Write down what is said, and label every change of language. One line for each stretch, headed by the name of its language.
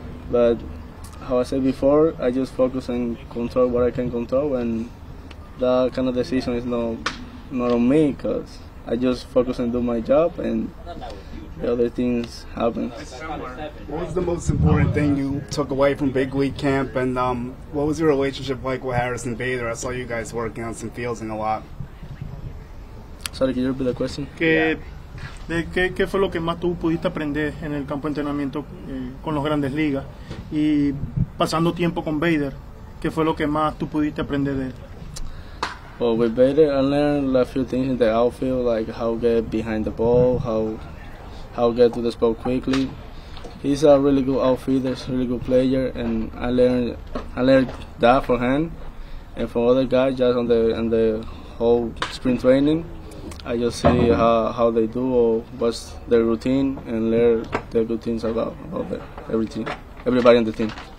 English: But how I said before, I just focus and control what I can control, and that kind of decision is not on me, because I just focus and do my job, and the other things happen. What was the most important thing you took away from big league camp, and what was your relationship like with Harrison Bader? I saw you guys working on some fields and a lot. Sorry, can you repeat the question? Yeah.
Spanish: De qué fue lo que más tú pudiste aprender en el campo de entrenamiento con los grandes ligas y pasando tiempo con Bader, qué fue lo que más tú pudiste aprender de él?
English: Well, with Bader, I learned a few things in the outfield, like how to get behind the ball, how to get to the spot quickly. He's a really good outfielder, a really good player, and I learned that for him. And for other guys, just on the whole spring training, I just see how they do or what's their routine and learn their good things about them, everything, everybody on the team.